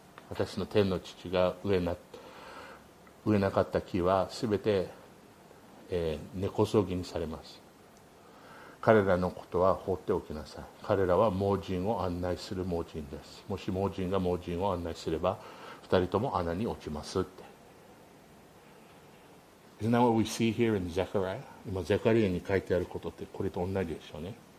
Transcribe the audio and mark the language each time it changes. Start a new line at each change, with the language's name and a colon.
Japanese: 私の天の父が植えなかった木はすべて、根こそぎにされます。彼らのことは放っておきなさい。彼らは盲人を案内する盲人です。もし盲人が盲人を案内すれば、二人とも穴に落ちますって。
English: Isn't that what we see here in Zechariah?
Japanese: 今、ゼカリアに書いてあることってこれと同じでしょうね。